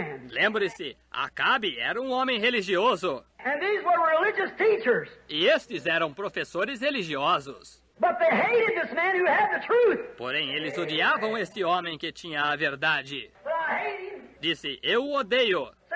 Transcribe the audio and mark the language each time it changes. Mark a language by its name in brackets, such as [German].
[Portuguese] Lembre-se, Acabe era um homem religioso. [English] And these were religious teachers. [Portuguese] E estes eram professores religiosos. [English] But they hated this man who had the truth. [Portuguese] Porém, eles odiavam este homem que tinha a verdade. Disse, eu o odeio.